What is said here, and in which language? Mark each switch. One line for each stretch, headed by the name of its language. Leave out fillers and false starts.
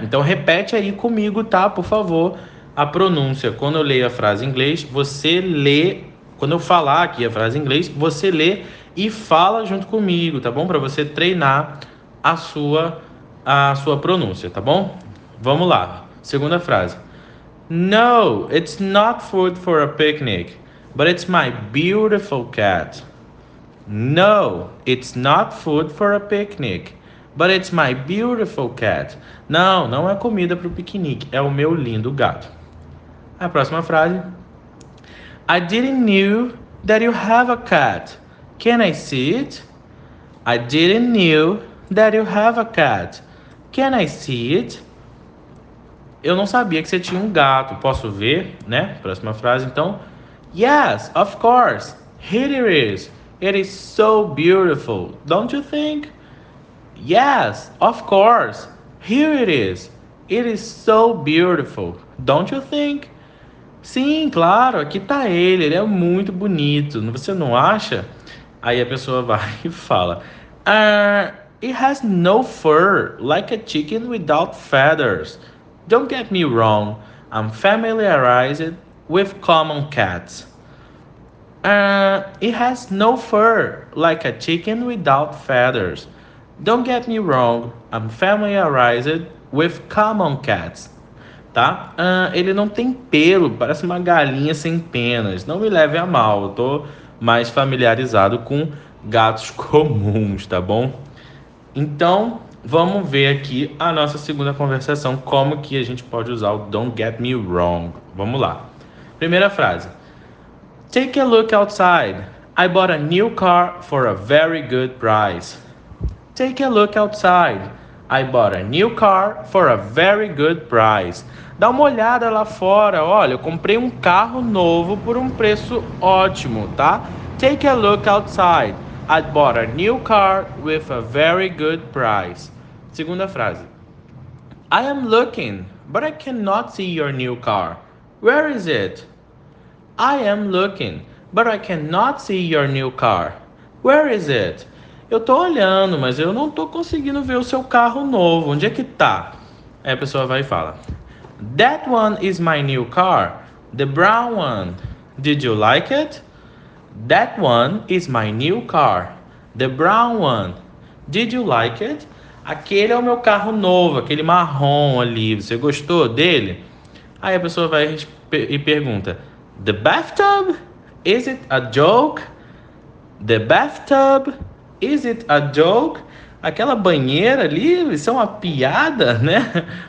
Portuguese: Então repete aí comigo, tá? Por favor, a pronúncia. Quando eu leio a frase em inglês, você lê. Quando eu falar aqui a frase em inglês, você lê e fala junto comigo, tá bom? Para você treinar a sua pronúncia, tá bom? Vamos lá. Segunda frase.
English: No, it's not food for a picnic, but it's my beautiful cat. No, it's not food for a picnic, but it's my beautiful cat.
Portuguese: Não, não é comida para o piquenique, é o meu lindo gato. A próxima frase.
English: I didn't knew that you have a cat. Can I see it? I didn't knew that you have a cat. Can I see it?
Portuguese: Eu não sabia que você tinha um gato. Posso ver, né? Próxima frase, então.
English: Yes, of course. Here it is. It is so beautiful, don't you think? Yes, of course. Here it is. It is so beautiful, don't you think?
Portuguese: Sim, claro, aqui tá ele. Ele é muito bonito. Você não acha? Aí a pessoa vai e fala:
English: It has no fur, like a chicken without feathers. Don't get me wrong, I'm familiarized with common cats. It has no fur, like a chicken without feathers. Don't get me wrong, I'm familiarized with common cats.
Portuguese: Tá? Ele não tem pelo, parece uma galinha sem penas. Não me leve a mal, eu tô mais familiarizado com gatos comuns, tá bom? Então, vamos ver aqui a nossa segunda conversação, como que a gente pode usar o don't get me wrong. Vamos lá. Primeira frase.
English: Take a look outside. I bought a new car for a very good price. Take a look outside. I bought a new car for a very good price.
Portuguese: Dá uma olhada lá fora. Olha, eu comprei um carro novo por um preço ótimo, tá?
English: Take a look outside. I bought a new car with a very good price.
Portuguese: Segunda frase.
English: I am looking, but I cannot see your new car. Where is it? I am looking, but I cannot see your new car. Where is it?
Portuguese: Eu tô olhando, mas eu não tô conseguindo ver o seu carro novo. Onde é que tá? Aí a pessoa vai e fala:
English: That one is my new car, the brown one. Did you like it? That one is my new car, the brown one. Did you like it?
Portuguese: Aquele é o meu carro novo, aquele marrom ali. Você gostou dele? Aí a pessoa vai e pergunta:
English: The bathtub? Is it a joke? The bathtub? Is it a joke?
Portuguese: Aquela banheira ali, isso é uma piada, né?